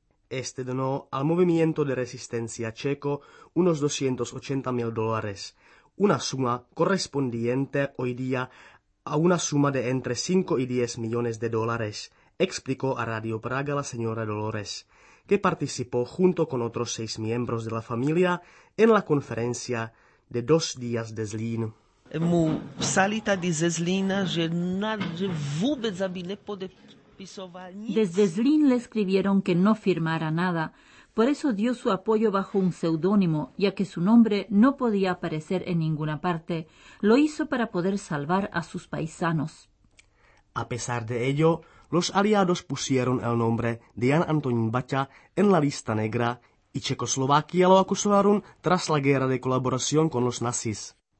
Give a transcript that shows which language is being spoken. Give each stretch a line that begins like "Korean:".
Spanish: Este donó al movimiento de resistencia checo unos 280 mil dólares, una suma correspondiente hoy día a una suma de entre 5 y 10 millones de dólares, explicó a Radio Praga la señora Dolores, que participó junto con otros 6 miembros de la familia en la conferencia de dos días de Zlín.
Czech: Mu psali tady ze Zlína, že vůbec aby nepodepisoval nic.
Spanish: Desde Zlín le escribieron que no firmara nada, por eso dio su apoyo bajo un seudónimo, ya que su nombre no podía aparecer en ninguna parte. Lo hizo para poder salvar a sus paisanos. A pesar de ello, los aliados pusieron el nombre de Jan Antonín Bacha en la lista negra y Checoslovaquia lo acusaron tras la guerra de colaboración con los nazis.